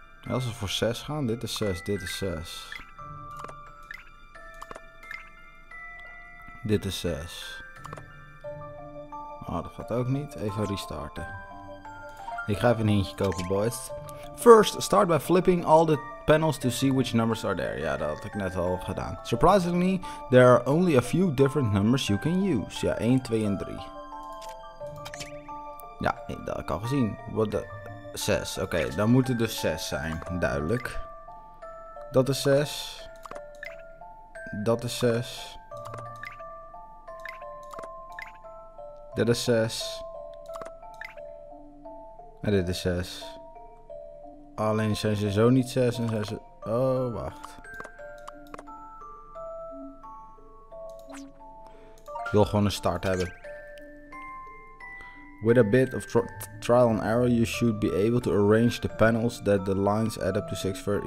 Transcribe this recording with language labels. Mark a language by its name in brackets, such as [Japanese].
[Dutch] Als we voor 6 gaan, dit is 6, dit is 6. Dit is 6. Ah, dat gaat ook niet. Even restarten. Ik ga even een hintje kopen, boys. [English] First, start by flipping all the panels to see which numbers are there. [Dutch] Ja, dat had ik net al gedaan. [English] Surprisingly, there are only a few different numbers you can use. [Dutch] Ja, 1, 2 en 3. Ja, dat had ik al gezien. [English] What the... [Dutch] 6. Oké, okay, dan moet het dus 6 zijn. Duidelijk. Dat is 6. Dat is 6. Dit is 6. En dit is 6. Alleen zijn ze zo niet 6 en zijn ze... Oh, wacht. Ik wil gewoon een start hebben. [English] With a bit of trial and error, you should be able to arrange the panels that the lines add up to 6 for...